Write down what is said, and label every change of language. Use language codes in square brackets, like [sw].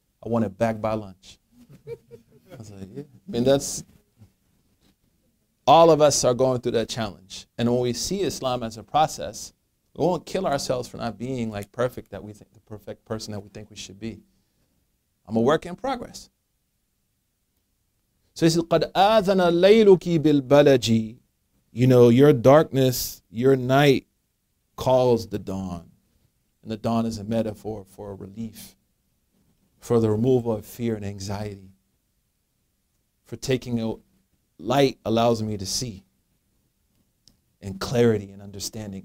[en] I want it back by lunch. I was like, yeah. I mean, that's, all of us are going through that challenge. And when we see Islam as a process, we won't kill ourselves for not being like perfect that we think, the perfect person that we think we should be. I'm a work in progress. So he said, [ar] قَدْ آذَنَ لَيْلُكِ بِالْبَلَجِ. [en] You know, your darkness, your night calls the dawn. And the dawn is a metaphor for relief, for the removal of fear and anxiety. For taking a light allows me to see and clarity and understanding.